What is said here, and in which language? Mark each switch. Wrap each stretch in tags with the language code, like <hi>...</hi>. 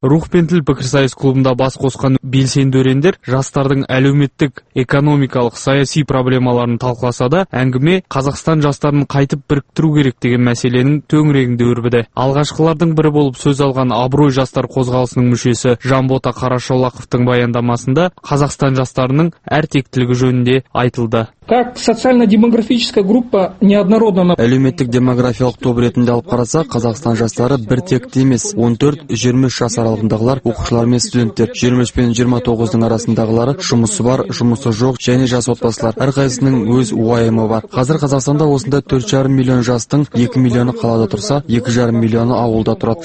<kk>Рух пен тіл пікірсайыс клубында бас қосқан белсенді өрендер жастардың әлеуметтік, экономикалық, саяси проблемаларын талқыласа да, әңгіме Қазақстан жастарын қайтып біріктіру керек деген мәселенің төңірегінде өрбіді. Алғашқылардың бірі болып сөз алған Абырой жастар қозғалысының мүшесі Жанбота Қарашолақовтың баяндамасында Қазақстан жастарының әртектілігі жөнінде айтылды.</kk> <ru>Как социально-демографическая группа неоднородна.</ru> <kk>Әлеуметтік демографиялық топ ретінде алып қараса, Қазақстан жастары бір текті емес. 14-23 жас аралығындағылар, оқушылар мен студенттер, 23 пен 29-дың арасындағылары, жұмысы бар, жұмысы жоқ және жас отбасылар. Әрқайсының өз уайымы бар. Қазір Қазақстанда осында 4,5 миллион жастың 2 миллионы қалада тұрса, 2,5 миллионы ауылда тұрады.</kk>